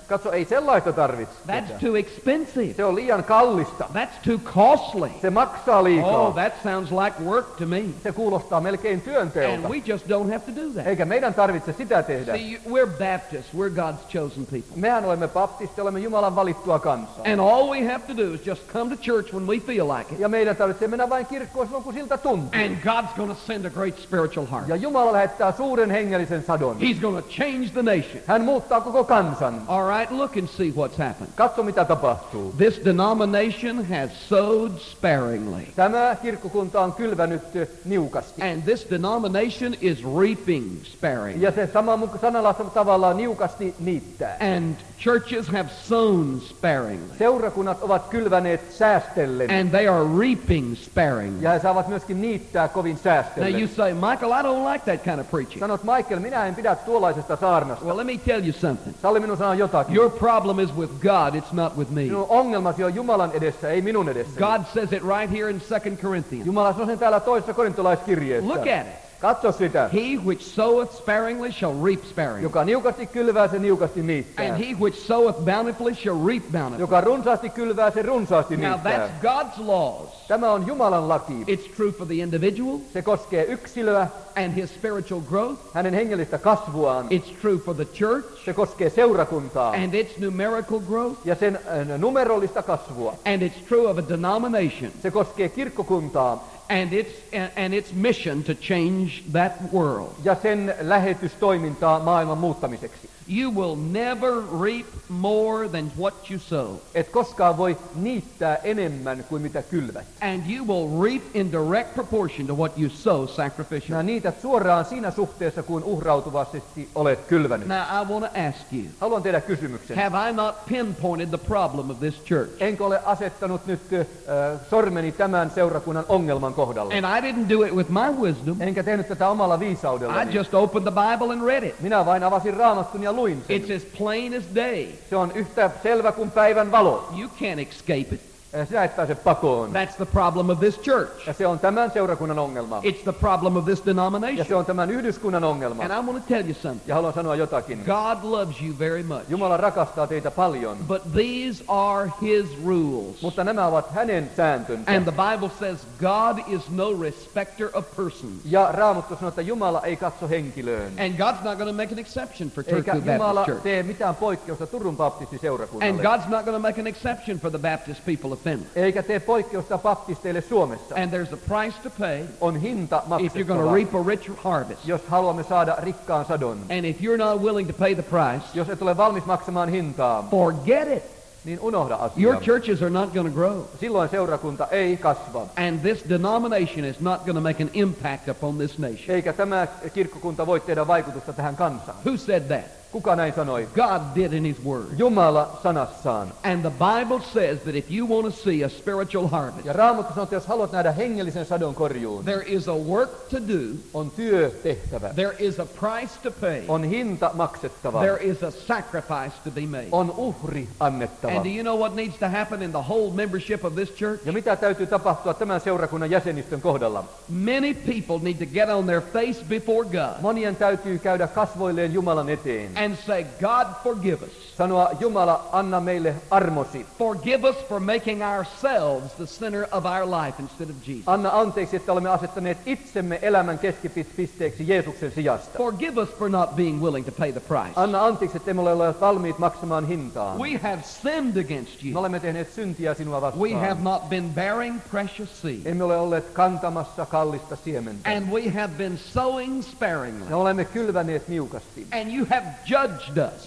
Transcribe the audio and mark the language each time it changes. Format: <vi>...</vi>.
<fi>Katso, ei sellaista tarvitse.</fi> <en>That's too expensive.</en> <fi>Se on liian kallista.</fi> <en>That's too costly.</en> <fi>Se maksaa liikaa.</fi> <en>Oh, that sounds like work to me.</en> <fi>Se kuulostaa melkein työnteolta.</fi> <en>And we just don't have to do that.</en> <fi>Eikä meidän tarvitse sitä tehdä.</fi> <en>See, we're Baptists. We're God's chosen people.</en> <fi>Mehän olemme baptisteja, olemme Jumalan valittua kansaa.</fi> <en>And all we have to do is just come to church when we feel like it.</en> <fi>Ja meidän tarvitse mennä vain kirkkoon silloin, kun siltä tuntuu.</fi> <en>And God's going to send a great spiritual heart.</en> <fi>Ja Jumala lähettää suuren hengellisen sadon.</fi> <en>He's going to change the nation.</en> <fi>Hän muuttaa koko kansan.</fi> <en>All right, look and see what's happened.</en> <fi>Katso, mitä tapahtuu.</fi> <en>This denomination has sowed sparingly.</en> <fi>Tämä kirkkokunta on kylvänyt niukasti.</fi> <en>And this denomination is reaping sparingly.</en> <fi>Ja se sama sanalla tavallaan niukasti niittää.</fi> <en>And churches have sown sparingly.</en> <fi>Seurakunnat ovat kylväneet säästellen.</fi> <en>And they are reaping sparingly.</en> <fi>Ja he saavat myöskin niittää kovin säästellen.</fi> <en>Now you say, Michael, I don't like that kind of preaching.</en> <fi>Sanot, Michael, minä en pidä tuollaisesta saarnasta.</fi> <en>Well, let me tell you something.</en> <fi>Salli minun sanoa jotakin.</fi> <en>Your problem is with God, it's not with me.</en> <fi>Sinun ongelmasi on Jumalan edessä, ei minun edessä.</fi> <en>God says it right here in 2 Corinthians.</en> <fi>Jumala sanoo sen täällä toisessa korintolaiskirjeessä.</fi> <en>Look at it.</en> <fi>Katso sitä.</fi> <en>He which soweth sparingly shall reap sparingly.</en> <fi>Joka niukasti kylvää, se niukasti niittää.</fi> <en>And he which soweth bountifully shall reap bountifully.</en> <fi>Joka runsaasti kylvää, se runsaasti niittää.</fi> <en>Now that's God's laws.</en> <fi>Tämä on Jumalan laki.</fi> <en>It's true for the individual.</en> <fi>Se koskee yksilöä.</fi> <en>And his spiritual growth.</en> <fi>Hänen hengellistä kasvuaan.</fi> <en>It's true for the church.</en> <fi>Se koskee seurakuntaa.</fi> <en>And its numerical growth.</en> <fi>Ja sen numerollista kasvua.</fi> <en>And it's true of a denomination.</en> <fi>Se koskee kirkkokuntaa.</fi> <en>And its mission to change that world.</en> <fi>Ja sen lähetystoimintaa maailman muuttamiseksi.</fi> <en>You will never reap more than what you sow.</en> <fi>Et koskaan voi niittää enemmän kuin mitä kylvät.</fi> <en>And you will reap in direct proportion to what you sow sacrificially.</en> <fi>Ja niität suoraan siinä suhteessa kuin uhrautuvasti olet kylvänyt.</fi> <en>Now I want to ask you.</en> <fi>Haluan tehdä kysymyksen.</fi> <en>Have I not pinpointed the problem of this church?</en> <fi>Enkö ole asettanut nyt sormeni tämän seurakunnan ongelman kohdalla?</fi> <en>And I didn't do it with my wisdom.</en> <fi>Enkä tehnyt tätä omalla viisaudellani.</fi> <en>I just opened the Bible and read it.</en> <fi>Minä vain avasin Raamattuni.</fi> <en>It's as plain as day.</en> <fi>Se on yhtä selvä kuin päivän valo.</fi> <en>You can't escape it.</en> <fi>Sinä et pääse pakoon.</fi> <en>That's the problem of this church.</en> <fi>Ja se on tämän seurakunnan ongelma.</fi> <en>It's the problem of this denomination.</en> <fi>Ja se on tämän yhdyskunnan ongelma.</fi> <en>And I want to tell you something.</en> <fi>Ja haluan sanoa jotakin.</fi> <en>God loves you very much.</en> <fi>Jumala rakastaa teitä paljon.</fi> <en>But these are his rules.</en> <fi>Mutta nämä ovat hänen sääntönsä.</fi> <en>And the Bible says God is no respecter of persons.</en> <fi>Ja Raamattu sanoo, että Jumala ei katso henkilöön.</fi> <en>And God's not going to make an exception for Turku Baptist</en> <fi>Jumala</fi> <en>Church.</en> <fi>Eikä Jumala tee mitään poikkeusta Turun baptistiseurakunnalle.</fi> <en>And God's not going to make an exception for the Baptist people.</en> <fi>Eikä tee poikkeusta baptisteille Suomessa.</fi> <en>And there's a price to pay.</en> <fi>On hinta maksettava.</fi> <en>If you're going to reap a rich harvest.</en> <fi>Jos haluamme saada rikkaan sadon.</fi> <en>And if you're not willing to pay the price.</en> <fi>Jos et ole valmis maksamaan hintaa.</fi> <en>Forget it.</en> <fi>Niin unohda asian.</fi> <en>Your churches are not going to grow.</en> <fi>Silloin seurakunta ei kasva.</fi> <en>And this denomination is not going to make an impact upon this nation.</en> <fi>Eikä tämä kirkkokunta voi tehdä vaikutusta tähän kansaan.</fi> <en>Who said that?</en> <fi>Kuka näin sanoi?</fi> <en>God did in his word.</en> <fi>Jumala sanassaan.</fi> <en>And the Bible says that if you want to see a spiritual harvest.</en> <fi>Ja Raamattu sanoo, jos haluat nähdä hengellisen sadon korjuun.</fi> <en>There is a work to do.</en> <fi>On työ tehtävä.</fi> <en>There is a price to pay.</en> <fi>On hinta maksettava.</fi> <en>There is a sacrifice to be made.</en> <fi>On uhri annettava.</fi> <en>And do you know what needs to happen in the whole membership of this church?</en> <fi>Ja mitä täytyy tapahtua tämän seurakunnan jäsenistön kohdalla?</fi> <en>Many people need to get on their face before God.</en> <fi>Monien täytyy käydä kasvoilleen Jumalan eteen.</fi> <en>And say, God, forgive us.</en> <fi>Sanoa, Jumala, anna meille armosi.</fi> <en>Forgive us for making ourselves the center of our life instead of Jesus.</en> <fi>Anna anteeksi, että olemme asettaneet itsemme elämän keskipisteeksi Jeesuksen sijasta.</fi> <en>Forgive us for not being willing to pay the price.</en> <fi>Anna anteeksi, että emme ole valmiit maksamaan hintaa.</fi> <en>We have sinned against you.</en> <fi>Me olemme tehneet syntiä sinua vastaan.</fi> <en>We have not been bearing precious seed.</en> <fi>Emme ole olleet kantamassa kallista siementä.</fi> <en>And we have been sowing sparingly.</en> <fi>Me olemme kylväneet niukasti.</fi> <en>And you have judged us.</en>